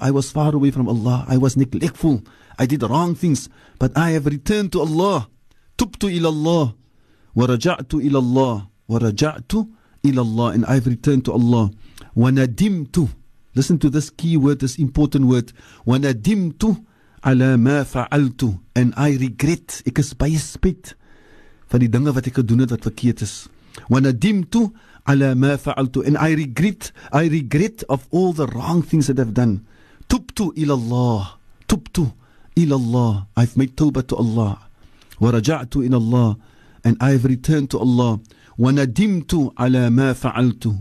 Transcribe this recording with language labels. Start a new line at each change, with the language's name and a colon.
English: I was far away from Allah, I was neglectful, I did wrong things, but I have returned to Allah.
Arabic: Tubtu ilallah, wa raja'tu ilallah, wa raja'tu ilallah,
English: and I've returned to Allah.
Arabic: Wa nadimtu.
English: Listen to this key word, this important word.
Arabic: وَنَدِمْتُ عَلَى مَا فَعَلْتُ.
English: And I regret.
Afrikaans: Ek is baie spyt van die dinge wat ek gedoen het wat verkeerd is.
Arabic: وَنَدِمْتُ عَلَى مَا فَعَلْتُ.
English: And I regret of all the wrong things that I've done.
Arabic: تُبْتُ إِلَى اللَّهِ. تُبْتُ إِلَى اللَّهِ.
English: I've made tawbah to Allah.
Arabic: وَرَجَعْتُ إِلَى اللَّهِ.
English: And I've returned to Allah.
Arabic: وَنَدِمْتُ عَلَى مَا فَعَلْتُ.